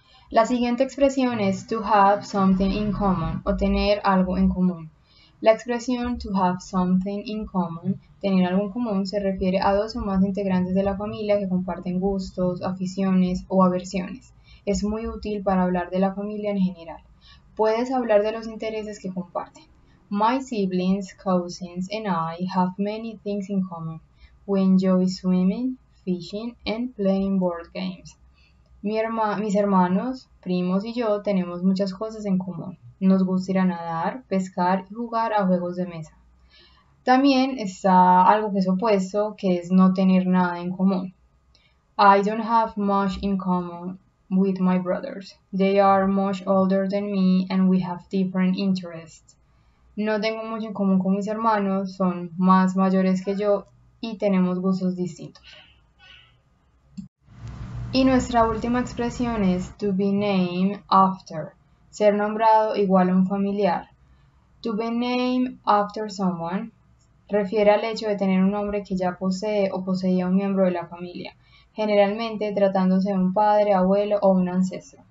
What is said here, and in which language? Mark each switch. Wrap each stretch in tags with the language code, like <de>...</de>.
<es>La siguiente expresión es</es> <en>to have something in common</en> <es>o tener algo en común. La expresión</es> <en>to have something in common,</en> <es>tener algo en común, se refiere a dos o más integrantes de la familia que comparten gustos, aficiones o aversiones. Es muy útil para hablar de la familia en general. Puedes hablar de los intereses que comparten.</es> <en>My siblings, cousins and I have many things in common. We enjoy swimming, fishing and playing board games.</en> <es>Mis hermanos, primos y yo tenemos muchas cosas en común. Nos gusta ir a nadar, pescar y jugar a juegos de mesa. También está algo que es opuesto, que es no tener nada en común.</es> <en>I don't have much in common with my brothers. They are much older than me and we have different interests.</en> <es>No tengo mucho en común con mis hermanos, son más mayores que yo y tenemos gustos distintos. Y nuestra última expresión es</es> <en>to be named after,</en> <es>ser nombrado igual a un familiar.</es> <en>To be named after someone</en> <es>refiere al hecho de tener un nombre que ya posee o poseía un miembro de la familia, generalmente tratándose de un padre, abuelo o un ancestro.</es>